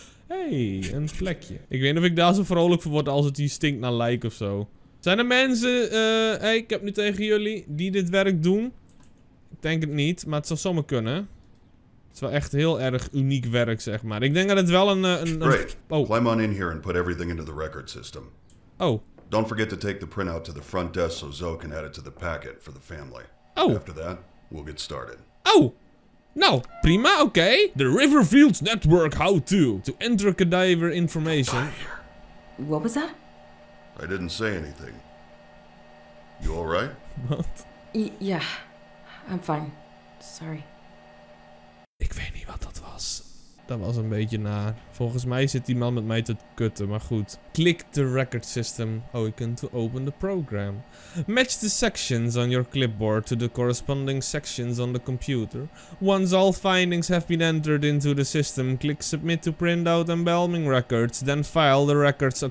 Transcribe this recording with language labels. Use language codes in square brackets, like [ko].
[nl] Hey, een plekje. Ik weet niet of ik daar zo vrolijk voor word als het hier stinkt naar like of zo. Zijn er mensen... Hey, ik heb nu tegen jullie die dit werk doen. Ik denk het niet, maar het zou zomaar kunnen. Het is wel echt heel erg uniek werk, zeg maar. Ik denk dat het wel een [en] Great. Oh. Climb on in here and put everything into the record system. Oh. Don't forget to take the printout to the front desk so Zoe can add it to the packet for the family. Oh. After that, we'll get started. Oh. [nl] Nou, prima, oké. [en] Okay. The Riverfields Network how-to. To enter cadaver information. What was that? I didn't say anything. You all right? [nl] Wat? [en] Yeah. I'm fine. Sorry. [nl] Ik weet niet wat dat was. Dat was een beetje naar. Volgens mij zit die man met mij te kutten, maar goed. [en] Click the record system icon to open the program. Match the sections on your clipboard to the corresponding sections on the computer. Once all findings have been entered into the system, click submit to print out embalming records, then file the records.